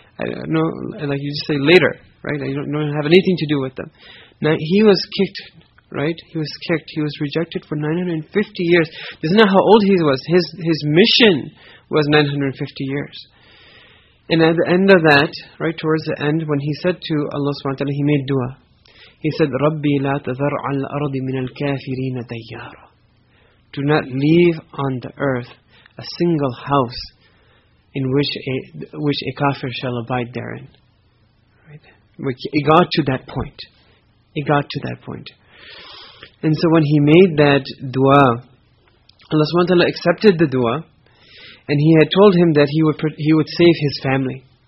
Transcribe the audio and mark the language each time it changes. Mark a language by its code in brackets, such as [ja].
[en] I don't know, like you just say later, right? You don't have anything to do with them. Now, he was kicked, right? He was kicked. He was rejected for 950 years. Isn't that how old he was? His mission was 950 years. And at the end of that, right towards the end, when he said to Allah subhanahu wa ta'ala, he made dua. He said, [ar] رَبِّي لَا تَذَرْ عَلَى الْأَرْضِ مِنَ الْكَافِرِينَ دَيَّارًا. [en] Do not leave on the earth a single house in which a kafir shall abide therein. Right? It got to that point. It got to that point. And so when he made that dua, Allah subhanahu wa ta'ala accepted the dua, and he had told him that he would save his family.